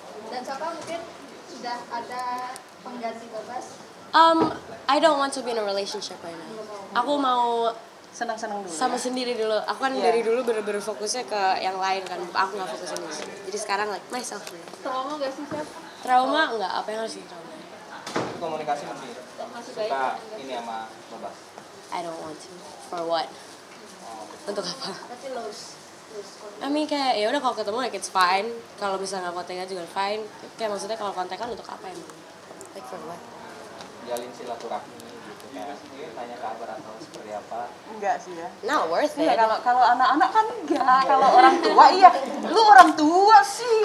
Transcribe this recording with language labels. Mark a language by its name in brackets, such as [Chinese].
[Indonesian] Dan siapa mungkin sudah ada pengganti Babas? [English] I don't want to be in a relationship right now. [Indonesian] Aku mau senang-senang dulu sama sendiri dulu. Aku kan dari dulu bener-bener fokusnya ke yang lain kan. Aku gak fokus sama diri. Jadi sekarang [English] like myself. [Indonesian] Trauma gak sih, Chef? Trauma enggak. Apa yang harus ditrauma? Komunikasi masih suka ini sama Babas. [English] I don't want to. For what? [Indonesian] Untuk apa? Tapi lose. [English] I mean [Indonesian] kayak ya udah kalau ketemu [English] like it's fine. [Indonesian] Kalau bisa gak kontekan juga fine. Kayak maksudnya kalau kontekan untuk apa emang? [English] Like for what? [Indonesian] Jalin silaturahmi. Kayak tanya kabar atau seperti apa? Enggak sih ya. [English] Not worth it. [Indonesian] Kalau anak-anak kan enggak. Kalau orang tua iya. Lu orang tua sih.